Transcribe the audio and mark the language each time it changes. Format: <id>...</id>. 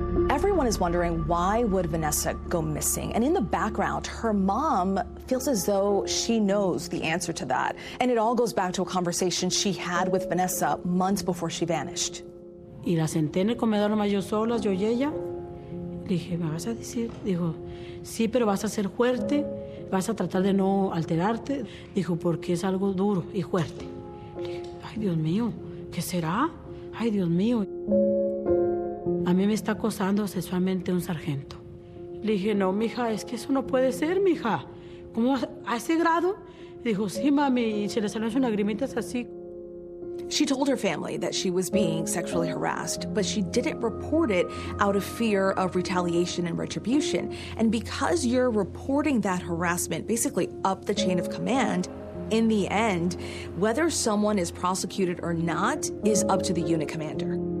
<en>Everyone is wondering, why would Vanessa go missing? And in the background, her mom feels as though she knows the answer to that. And it all goes back to a conversation she had with Vanessa months before she vanished.</en> <es>Y la senté en el comedor más yo sola, yo y ella. Le dije, ¿me vas a decir? Dijo, sí, pero vas a ser fuerte. Vas a tratar de no alterarte. Dijo, porque es algo duro y fuerte. Le dije, ay, Dios mío, ¿qué será? Ay, Dios mío. A mí me está acosando sexualmente un sargento. Le dije, no, mija, es que eso no puede ser, mija. ¿Cómo a ese grado? Dijo, sí, mami, y se le salen sus lagrimitas así.</es> <en>She told her family that she was being sexually harassed, but she didn't report it out of fear of retaliation and retribution. And because you're reporting that harassment basically up the chain of command, in the end, whether someone is prosecuted or not is up to the unit commander.</en>